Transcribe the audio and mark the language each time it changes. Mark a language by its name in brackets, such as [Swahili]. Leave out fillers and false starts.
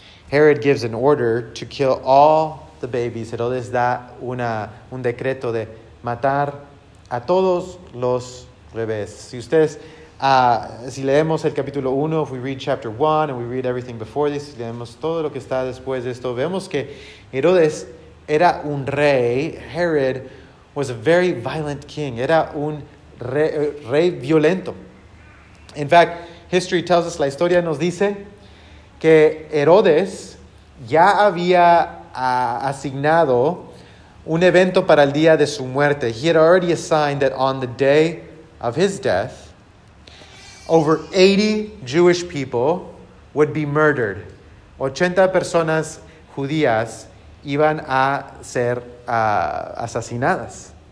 [English] Herod gives an order to kill all the babies. [Spanish] Herodes da un decreto de matar a todos los bebés. Si ustedes si leemos el capítulo 1, [English] if we read chapter 1 and we read everything before this, [Spanish] si leemos todo lo que está después de esto, vemos que Herodes era un rey. [English] Herod was a very violent king. [Spanish] Era un rey violento. [English] In fact, history tells us, [Spanish] la historia nos dice, que Herodes ya había asignado un evento para el día de su muerte. [English] He had already assigned that on the day of his death, over 80 Jewish people would be murdered. [Spanish] 80 personas judías iban a ser asesinadas.